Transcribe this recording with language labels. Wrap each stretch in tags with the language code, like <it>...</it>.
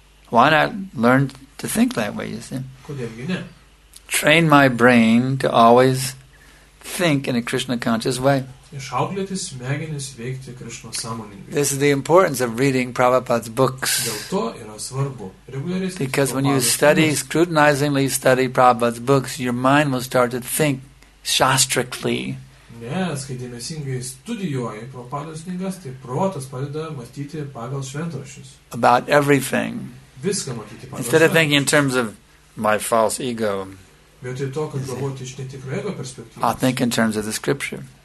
<en>Why not learn to think that way, you see? Train my brain to always think in a Krishna conscious way. This is the importance of reading Prabhupada's books. Because when you study, scrutinizingly study Prabhupada's books, your mind will start to think shastrically.</en> <lt>Nes, kai dėmesingai studijuoji Prabhupada's knygas, tai protas padeda mąstyti pagal šventraščius.</lt> <en>About everything.</en> <lt>Viską matyti pagal šventraščius.</lt> <en>Instead of thinking in terms of my false ego, I think in terms of the scripture.</en>